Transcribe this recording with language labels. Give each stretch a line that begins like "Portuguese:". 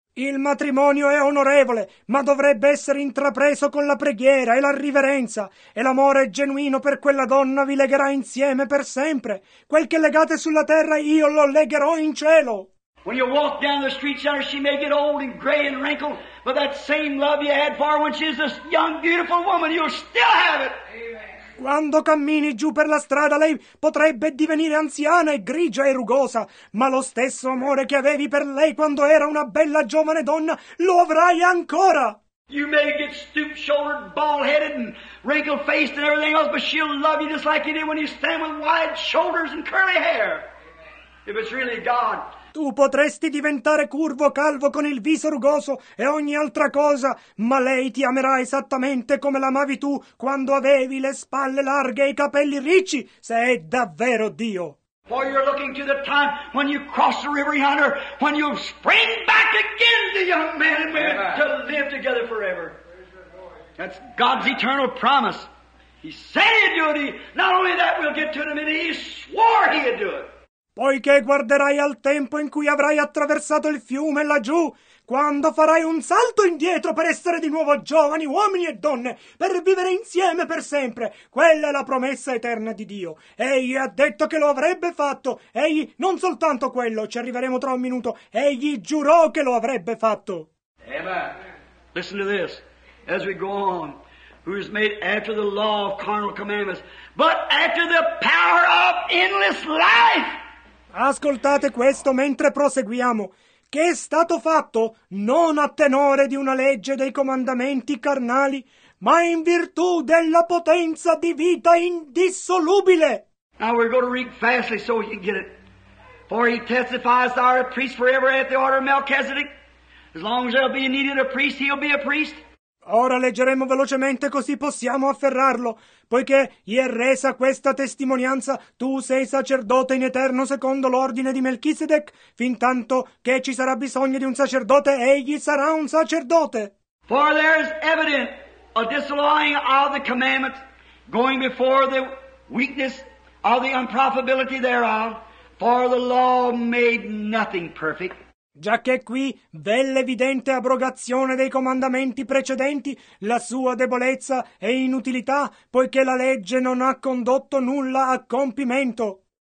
Italian: Il matrimonio è onorevole, ma dovrebbe essere intrapreso con la preghiera e la riverenza. E l'amore genuino per quella donna vi legherà insieme per sempre. Quel che legate sulla terra, io lo legherò in cielo.
English: When you walk down the street, center, she may get old and gray and wrinkled, but that same love you had for her when she's this young, beautiful woman, you'll still have it.
Italian: Quando cammini giù per la strada, lei potrebbe divenire anziana e grigia e rugosa, ma lo stesso amore che avevi per lei quando era una bella giovane donna lo avrai ancora.
English: You may get stoop-shouldered, bald-headed, and wrinkled-faced and everything else, but she'll love you just like you did when you stand with wide shoulders and curly hair. If it's really God.
Italian: Tu potresti diventare curvo, calvo, con il viso rugoso e ogni altra cosa, ma lei ti amerà esattamente come l'amavi tu quando avevi le spalle larghe e i capelli ricci, se è davvero Dio.
English: For you're looking to the time when you cross the river yonder, when you spring back again, the young man and women, to live together forever. That's God's eternal promise. He said he'd do it. Not only that, we'll get to it in a minute. He swore he'd do it.
Italian: Poiché guarderai al tempo in cui avrai attraversato il fiume laggiù, quando farai un salto indietro per essere di nuovo giovani, uomini e donne, per vivere insieme per sempre. Quella è la promessa eterna di Dio. Egli ha detto che lo avrebbe fatto. Egli, non soltanto quello, ci arriveremo tra un minuto. Egli giurò che lo avrebbe fatto.
English: Eva, listen to this. As we go on, who is made after the law of carnal commandments, but after the power of endless life.
Italian: Ascoltate questo mentre proseguiamo. Che è stato fatto non a tenore di una legge dei comandamenti carnali, ma in virtù della potenza di vita indissolubile.
English: Now we're going to read fastly so you can get it. For he testifies to our priest forever at the order of Melchizedek. As long as there'll be needed a priest, he'll be a priest.
Italian: Ora leggeremo velocemente così possiamo afferrarlo, poiché gli è resa questa testimonianza, tu sei sacerdote in eterno secondo l'ordine di Melchisedec, fin tanto che ci sarà bisogno di un sacerdote, egli sarà un sacerdote.
English: For there is evident a disallowing of the commandments, going before the weakness of the unprofitability thereof, for the law made nothing perfect.
Italian: Già che qui v'è l'evidente abrogazione dei comandamenti precedenti, la sua debolezza e inutilità, poiché la legge non ha condotto nulla a compimento.